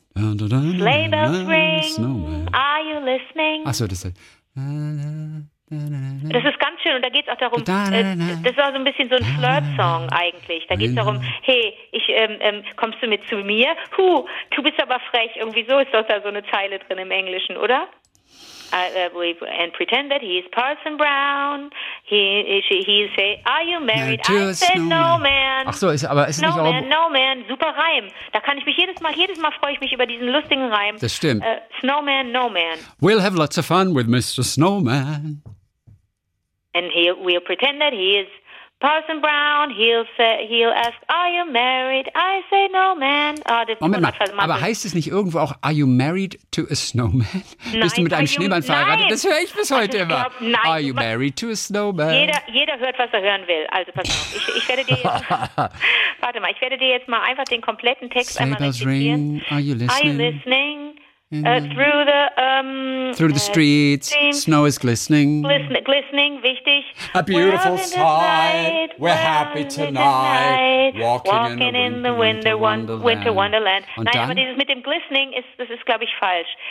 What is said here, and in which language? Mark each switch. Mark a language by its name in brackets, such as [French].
[English] Dun, dun, dun, Sleigh bells dun, ring. Snowman. Are you listening? [German] Ach so, das ist... Das ist ganz schön und da geht es auch darum, das war so ein bisschen so ein Flirt-Song eigentlich. Da geht es darum, hey, kommst du mit zu mir? Huh, du bist aber frech. Irgendwie so ist doch da so eine Zeile drin im Englischen, oder? [English] And pretend that he's Parson Brown. He say, are you married? Yeah, I said no man. [German] Ach so, ist [English] no [German] nicht [English] man, no man. [German] Super Reim. Da kann ich mich jedes Mal freue ich mich über diesen lustigen Reim. Das stimmt. [English] Snowman, no man. We'll have lots of fun with Mr. Snowman. And we'll pretend that he is Parson Brown, he'll ask, are you married? I say no, man. [German] Moment mal, aber heißt es nicht irgendwo auch, [English] are you married to a snowman? [German] Nein, bist du mit einem Schneemann verheiratet? Nein. Das höre ich bis heute immer. Nein, [English] are you married to a snowman? [German] Jeder hört, was er hören will. Also pass auf, ich werde dir jetzt, warte mal, ich werde dir jetzt mal einfach den kompletten Text einmal rezitieren. [English] Sleigh bells ring, are you listening? Are you listening? Through the streets, snow is glistening. [German] Glistening, wichtig. [English] A beautiful sight, we're happy tonight. Walking in the winter wonderland. [German] Und nein, dann? Aber dieses mit dem Glistening ist, das ist, glaube ich, falsch.